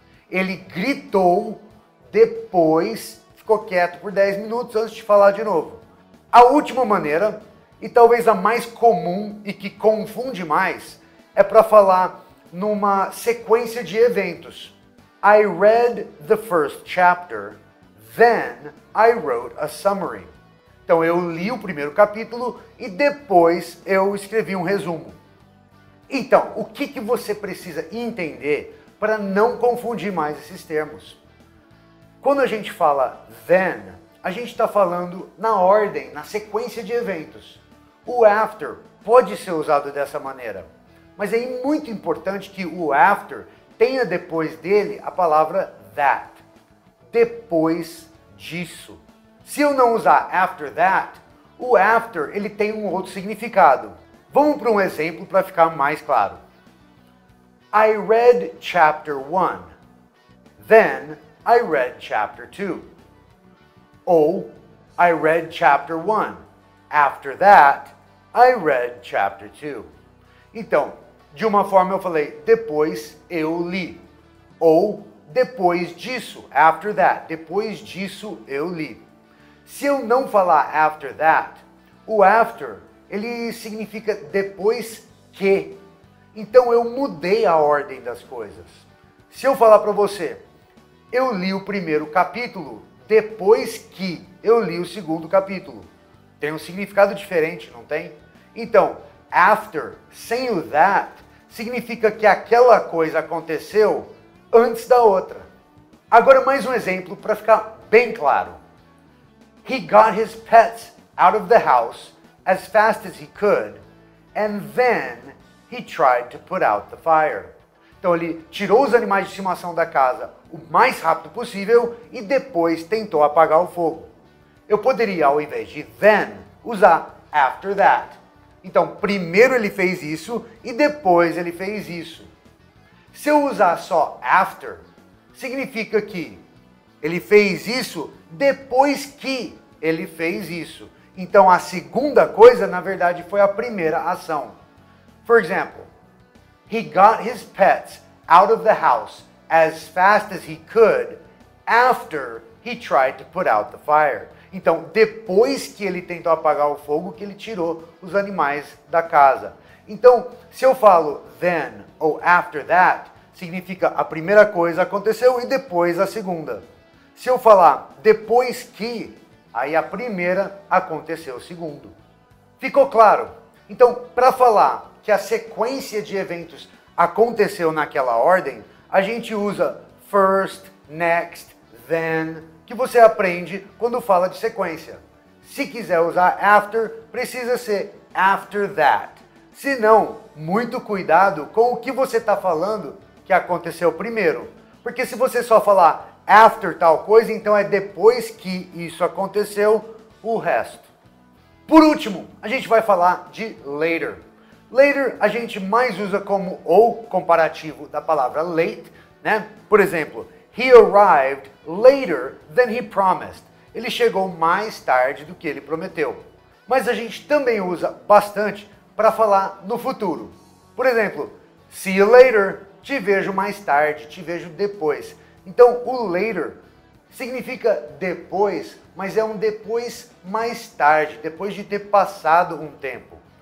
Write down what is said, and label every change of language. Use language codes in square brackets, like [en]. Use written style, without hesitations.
[pt] Ele gritou, depois ficou quieto por 10 minutos antes de falar de novo. A última maneira, e talvez a mais comum e que confunde mais, é para falar numa sequência de eventos. [en] I read the first chapter, then I wrote a summary. [pt] Então eu li o primeiro capítulo e depois eu escrevi um resumo. Então, o que, que você precisa entender para não confundir mais esses termos? Quando a gente fala then, a gente está falando na ordem, na sequência de eventos. O after pode ser usado dessa maneira, mas é muito importante que o after tenha depois dele a palavra that. Depois disso. Se eu não usar [en] after that, [pt] o after ele tem um outro significado. Vamos para um exemplo para ficar mais claro. [en] I read chapter 1, then I read chapter 2. [pt] Ou, [en] I read chapter 1. After that, I read chapter 2. [pt] Então, De uma forma eu falei, depois eu li. Ou depois disso, [en] after that, [pt] depois disso eu li. Se eu não falar after that, o after, ele significa depois que. Então eu mudei a ordem das coisas. Se eu falar para você, eu li o primeiro capítulo depois que eu li o segundo capítulo. Tem um significado diferente, não tem? Então, after, sem o that, significa que aquela coisa aconteceu antes da outra. Agora mais um exemplo para ficar bem claro. [en] He got his pets out of the house as fast as he could, and then he tried to put out the fire. [pt] Então ele tirou os animais de estimação da casa o mais rápido possível e depois tentou apagar o fogo. Eu poderia, ao invés de then, usar [en] after that. [pt] Então, primeiro ele fez isso e depois ele fez isso. Se eu usar só after, significa que ele fez isso depois que ele fez isso. Então, a segunda coisa, na verdade, foi a primeira ação. [en] For example, he got his pets out of the house as fast as he could after he tried to put out the fire. [pt] Então, depois que ele tentou apagar o fogo, que ele tirou os animais da casa. Então, se eu falo then ou [en] after that, [pt] significa a primeira coisa aconteceu e depois a segunda. Se eu falar depois que, aí a primeira aconteceu o segundo. Ficou claro? Então, para falar que a sequência de eventos aconteceu naquela ordem, a gente usa first, next, then, que você aprende quando fala de sequência. Se quiser usar after, precisa ser [en] after that. [pt] Se não, muito cuidado com o que você está falando que aconteceu primeiro. Porque se você só falar after tal coisa, então é depois que isso aconteceu o resto. Por último, a gente vai falar de later. Later a gente mais usa como ou comparativo da palavra late, né? Por exemplo, [en] he arrived later than he promised. [pt] Ele chegou mais tarde do que ele prometeu. Mas a gente também usa bastante para falar no futuro. Por exemplo, [en] see you later. [pt] Te vejo mais tarde, te vejo depois. Então, o later significa depois, mas é um depois mais tarde, depois de ter passado um tempo.